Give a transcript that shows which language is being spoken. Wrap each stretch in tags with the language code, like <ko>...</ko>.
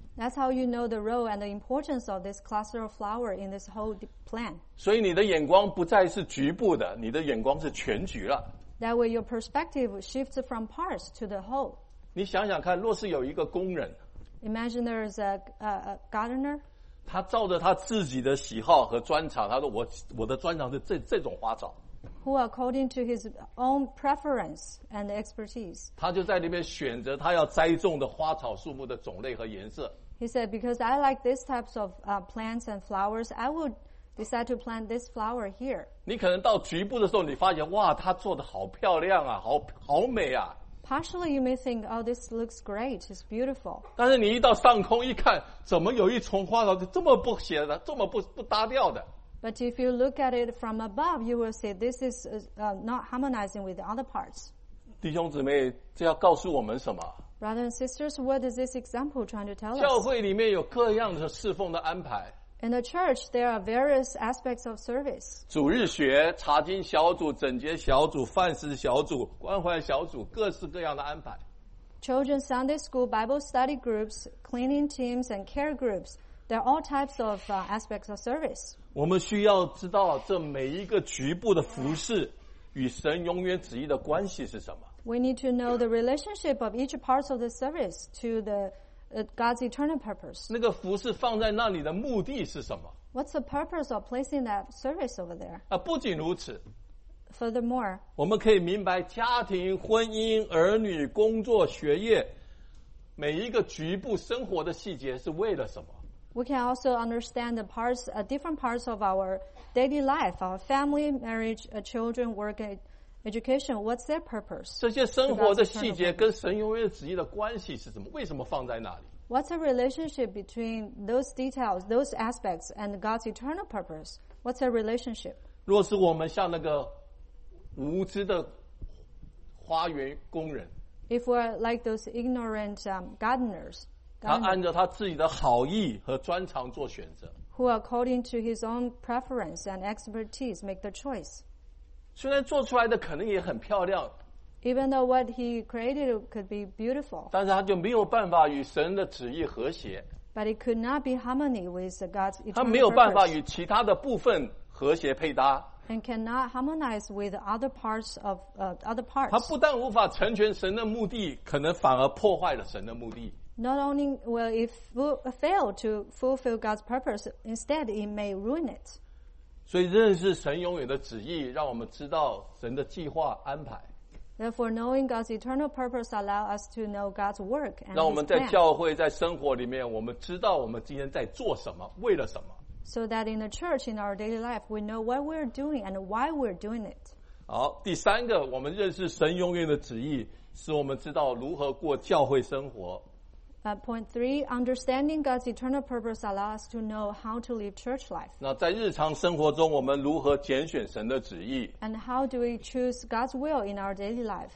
<en>That's how you know the role and the importance of this cluster of flower in this whole plan.</en> <zh>所以你的眼光不再是局部的，你的眼光是全局了。</zh> <en>That way your perspective shifts from parts to the whole.</en> <zh>你想想看，若是有一个工人</zh> <en>Imagine there is a gardener.</en> <zh>他照着他自己的喜好和专长，他说我的专长是这种花草。</zh> <en>Who according to his own preference and expertise?</en> <zh>他就在那边选择他要栽种的花草树木的种类和颜色。</zh> <en>He said, because I like these types of plants and flowers, I would decide to plant this flower here.</en> <zh>你可能到局部的时候，你发现哇，他做的好漂亮啊，好美啊。</zh> <en>Partially, you may think, oh, this looks great, it's beautiful.</en> <zh>但是你一到上空一看，怎么有一丛花草就这么不协的，这么不搭调的</zh> <en>？But if you look at it from above, you will see this is not harmonizing with the other parts.</en> <zh>弟兄姊妹，这要告诉我们什么</zh> <en>？Brothers and sisters, what is this example trying to tell us?</en> <zh>教会里面有各样的侍奉的安排。</zh> <en>In the church, there are various aspects of service.</en> <zh>主日学、查经小组、整洁小组、饭食小组、关怀小组，各式各样的安排。</zh> <en>Children's Sunday school, Bible study groups, cleaning teams, and care groups, there are all types of aspects of service.</en> <zh>我们需要知道这每一个局部的服事与神永远旨意的关系是什么。</zh> <en>We need to know the relationship of each part of the service to the God's eternal purpose.</en> <zh>那个服事放在那里的目的是什么</zh> <en>？What's the purpose of placing that service over there？</en> <zh>啊，不仅如此</zh> <en>，Furthermore，</en> <zh>我们可以明白家庭、婚姻、儿女、工作、学业，每一个局部生活的细节是为了什么</zh> <en>？We can also understand the parts, different parts of our daily life, our family, marriage, children, work, Education, what's their purpose?</en> <zh>这些生活的细节跟神永远旨意的关系是什么？为什么放在那里</zh> <en>？What's the relationship between those details, those aspects, and God's eternal purpose? What's the relationship?</en> <zh>若是我们像那个无知的花园工人</zh> <en>，If we're like those ignorant gardeners,</en> <zh>他按照他自己的好意和专长做选择</zh> <en>，Who according to his own preference and expertise make the choice?</en> <zh>虽然做出来的可能也很漂亮</zh> <en>Even though what he created could be beautiful</en> <zh>但是他就没有办法与神的旨意和谐</zh> <en>But it could not be harmony with God's eternal purpose</en> <zh>他没有办法与其他的部分和谐配搭</zh> <en>And cannot harmonize with other parts of other parts</en> <zh>他不但无法成全神的目的可能反而破坏了神的目的</zh> <en>Not only will it fail to fulfill God's purpose Instead it may ruin it</en> <zh>所以认识神永远的旨意让我们知道神的计划安排</zh> <en>Therefore, knowing God's eternal purpose allows us to know God's work and His plan.</en> <zh>让我们在教会，在生活里面，我们知道我们今天在做什么，为了什么。</zh> <en>So that in the church, in our daily life, we know what we're doing and why we're doing it.</en> <zh>好，第三个，我们认识神永远的旨意，使我们知道如何过教会生活。</zh> <en>Point three, understanding God's eternal purpose allows us to know how to live church life.</en> <zh>那在日常生活中，我们如何拣选神的旨意</zh> <en>？And how do we choose God's will in our daily life?</en>